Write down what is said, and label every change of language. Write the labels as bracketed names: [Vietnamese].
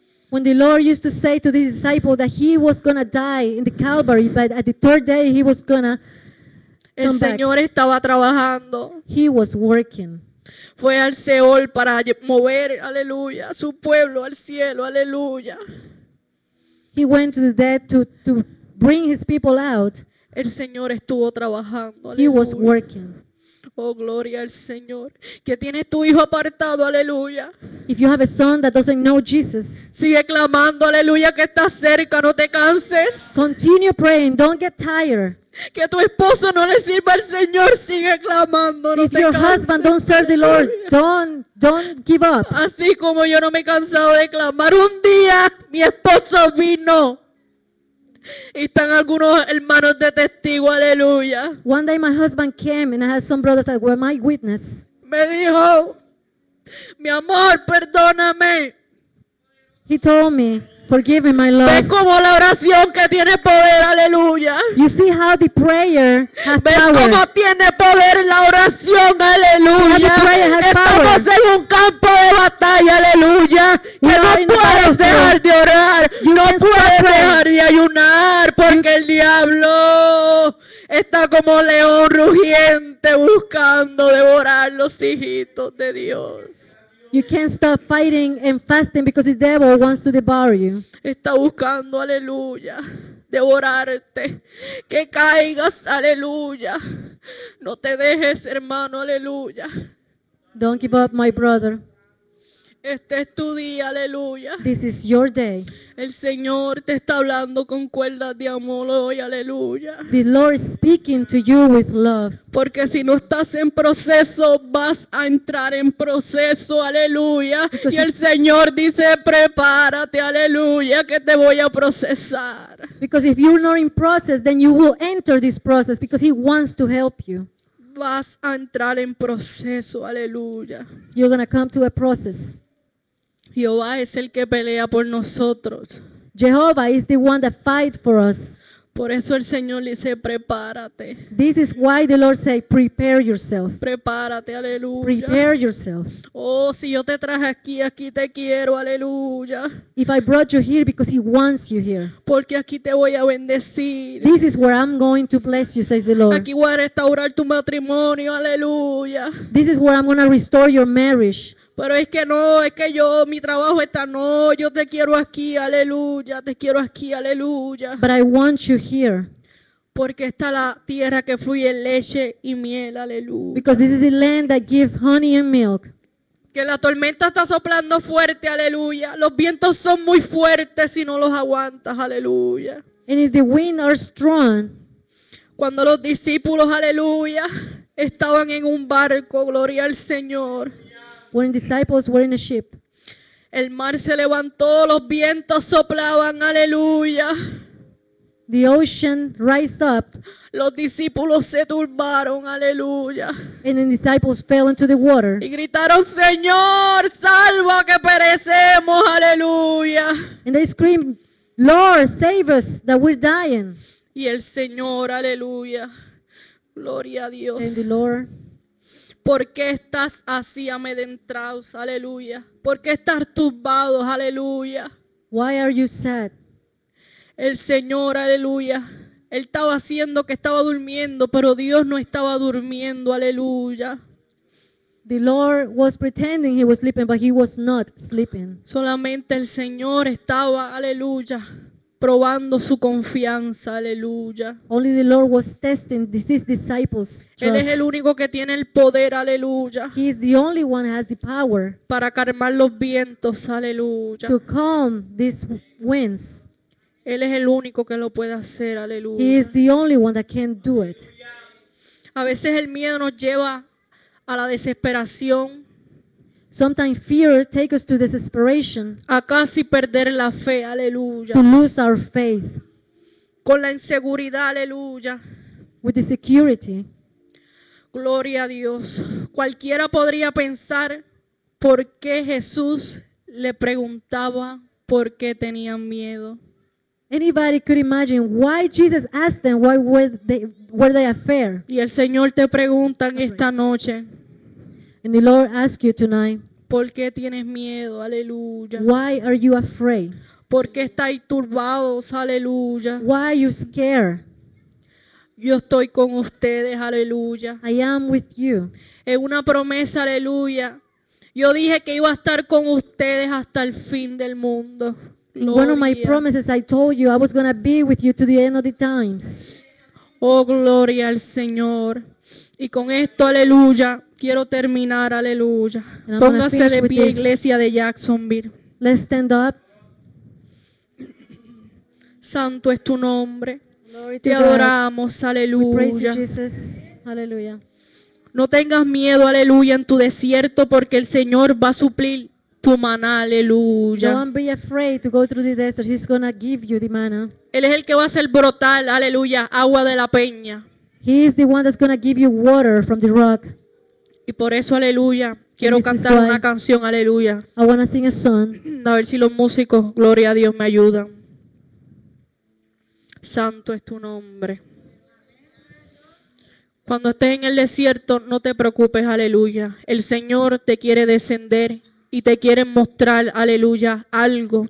[English] When the Lord used to say to the disciples that he was going to die in the Calvary, but at the third day he was going to come back. [Spanish] El Señor estaba trabajando. [English] He was working. [Spanish] Fue al Seol para mover, aleluya, su pueblo al cielo, aleluya. [English] He went to the dead to bring his people out. [Spanish] El Señor estuvo trabajando, aleluya. [English] He was working. [Spanish] Oh, gloria al Señor. Que tiene tu hijo apartado, aleluya. [English] If you have a son that doesn't know Jesus. [Spanish] Sigue clamando, aleluya, que está cerca, no te canses. [English] Continue praying, don't get tired. [Spanish] Que tu esposo no le sirva al Señor, sigue clamando, no te canses. [English] If your husband don't serve the Lord, don't give up. [Spanish] Así como yo no me he cansado de clamar, un día mi esposo vino. Y están algunos hermanos de testigo, aleluya. [English] One day my husband came and I had some brothers that were my witness. [Spanish] Me dijo, mi amor, perdóname. [English] He told me, forgive me, my love. [Spanish] Ve como la oración que tiene poder, aleluya. [English] You see how the prayer has [Spanish] ves Ve como tiene poder la oración, aleluya. Estamos [English] power. [Spanish] En un campo de batalla, aleluya. Que [English] you [Spanish] no puedes dejar de orar. [English] You [Spanish] no puedes [English] pray. [Spanish] Dejar de ayunar. Porque el diablo está como león rugiente buscando devorar los hijitos de Dios. [English] You can't stop fighting and fasting because the devil wants to devour you. [Spanish] Está buscando, aleluya, devorarte. Que caigas, aleluya. No te dejes, hermano, aleluya. [English] Don't give up, my brother. [Spanish] Este es tu día, aleluya. [English] This is your day. [Spanish] El Señor te está hablando con cuerdas de amor hoy, aleluya. [English] The Lord is speaking to you with love. [Spanish] Porque si no estás en proceso, vas a entrar en proceso, aleluya. [English] Because [Spanish] y el Señor dice, prepárate, aleluya, que te voy a procesar. [English] Because if you're not in process, then you will enter this process because He wants to help you. [Spanish] Vas a entrar en proceso, aleluya. [English] You're gonna come to a process. [Spanish] Jehová es el que pelea por nosotros. [English] Jehovah is the one that fights for us. [Spanish] Por eso el Señor dice, prepárate. [English] This is why the Lord say, prepare yourself. [Spanish] Prepárate, aleluya. [English] Prepare yourself. [Spanish] Oh, si yo te traje aquí, aquí te quiero, aleluya. [English] If I brought you here because He wants you here. [Spanish] Porque aquí te voy a bendecir. [English] This is where I'm going to bless you, says the Lord. [Spanish] Aquí voy a restaurar tu matrimonio, aleluya. [English] This is where I'm going to restore your marriage. [Spanish] Pero es que no, es que yo, mi trabajo está, no, yo te quiero aquí, aleluya, te quiero aquí, aleluya. [English] But I want you here. [Spanish] Porque está la tierra que fluye leche y miel, aleluya. [English] Because this is the land that gives honey and milk. [Spanish] Que la tormenta está soplando fuerte, aleluya. Los vientos son muy fuertes si no los aguantas, aleluya. [English] And if the winds are strong. [Spanish] Cuando los discípulos, aleluya, estaban en un barco, gloria al Señor. [English] When disciples were in a ship. [Spanish] El mar se levantó, los vientos soplaban, aleluya. [English] The ocean rise up. [Spanish] Los discípulos se turbaron, aleluya. [English] And the disciples fell into the water. [Spanish] Y gritaron, Señor, salva que perecemos, aleluya. [English] And they screamed, Lord, save us, that we're dying. [Spanish] Y el Señor, aleluya, gloria a Dios. [English] And the Lord. [Spanish] ¿Por qué estás así amedrentados? Aleluya. ¿Por qué estás turbados? Aleluya. [English] Why are you sad? [Spanish] El Señor, aleluya. Él estaba haciendo que estaba durmiendo, pero Dios no estaba durmiendo. Aleluya. [English] The Lord was pretending he was sleeping, but he was not sleeping. [Spanish] Solamente el Señor estaba, aleluya, probando su confianza, aleluya. [English] Only the Lord was testing his disciples. [Spanish] Él es el único que tiene el poder, aleluya. [English] He is the only one who has the power. [Spanish] Para calmar los vientos, aleluya. [English] To calm these winds. [Spanish] Él es el único que lo puede hacer, aleluya. [English] He is the only one that can do it. [Spanish] A veces el miedo nos lleva a la desesperación. [English] Sometimes fear takes us to desperation. [Spanish] A casi perder la fe, aleluya. [English] To lose our faith. [Spanish] Con la inseguridad, aleluya. [English] With the security. [Spanish] Gloria a Dios. Cualquiera podría pensar por qué Jesús le preguntaba por qué tenían miedo. [English] Anybody could imagine why Jesus asked them why were they afraid. [Spanish] Y el Señor te pregunta en esta noche. [English] And the Lord asks you tonight. [Spanish] ¿Por qué tienes miedo? Aleluya. [English] Why are you afraid? [Spanish] ¿Por qué estáis turbados? Aleluya. [English] Why are you scared? [Spanish] Yo estoy con ustedes. Aleluya. [English] I am with you. [Spanish] Es una promesa. Aleluya. Yo dije que iba a estar con ustedes hasta el fin del mundo. Gloria. [English] One of my promises, I told you I was going to be with you to the end of the times. [Spanish] Oh, gloria al Señor. Y con esto, aleluya. Quiero terminar, aleluya. Póngase de pie, iglesia de Jacksonville. [English] Let's stand up. [Spanish] Santo es tu nombre. Te adoramos, aleluya. [English] We praise you, Jesus. Aleluya. [Spanish] No tengas miedo, aleluya, en tu desierto, porque el Señor va a suplir tu maná, aleluya. [English] Don't be afraid to go through the desert. He's gonna give you the maná. [Spanish] Él es el que va a hacer brotar, aleluya, agua de la peña. [English] He is the one that's gonna give you water from the rock. [Spanish] Y por eso, aleluya, quiero cantar una canción, aleluya. [English] I wanna sing a song. [Spanish] A ver si los músicos, gloria a Dios, me ayudan. Santo es tu nombre. Cuando estés en el desierto, no te preocupes, aleluya. El Señor te quiere descender y te quiere mostrar, aleluya, algo.